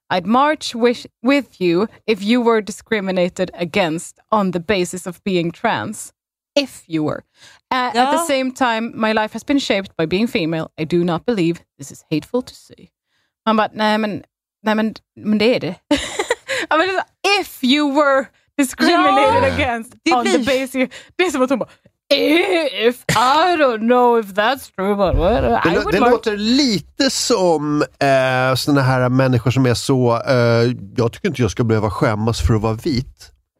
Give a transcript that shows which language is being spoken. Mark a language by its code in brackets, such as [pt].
[en] I'd march with you if you were discriminated against on the basis of being trans. If you were. At the same time, my life has been shaped by being female. I do not believe this is hateful to say. [sv] Man bara, nej men det är det. [en] I mean, if you were discriminated against on the basis of being female. If I don't know if that's true, but [sv] det låter lite som såna här människor som är så jag tycker inte jag ska behöva skämmas för att vara vit.